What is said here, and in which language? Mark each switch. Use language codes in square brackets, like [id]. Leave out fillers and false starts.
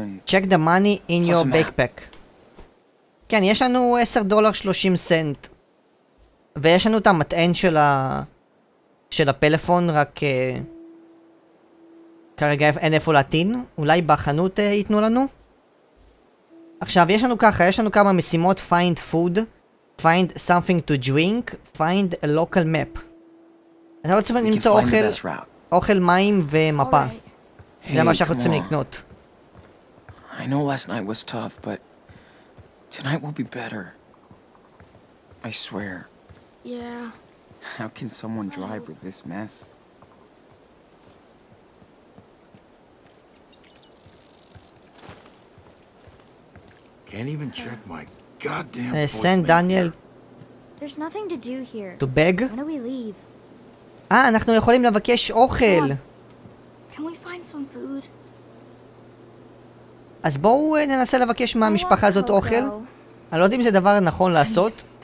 [en] Check the money in your backpack. [he] כן, יש לנו $10.30. ויש לנו את המטען של הפלאפון, רק כרגע אין איפה להטעין. אולי בחנות ייתנו לנו. עכשיו, יש לנו ככה, יש לנו כמה משימות. [en] Find food, find something to drink, find a local map. [he] אתה רוצה למצוא אוכל, אוכל, מים ומפה. זה מה שאנחנו רוצים לקנות. [en] I know last night was tough, but tonight will be better. I swear. Yeah. How can someone drive with this mess? Can't even check my goddamn voicemail. Send Daniel. There's nothing to do here. To beg? When do we leave? [he] Ah, אנחנו יכולים לבקש אוכל. [en] Can we find some food? [he] אז בואו ננסה לבקש מהמשפחה הזאת אוכל. אני לא יודע אם זה דבר נכון לעשות.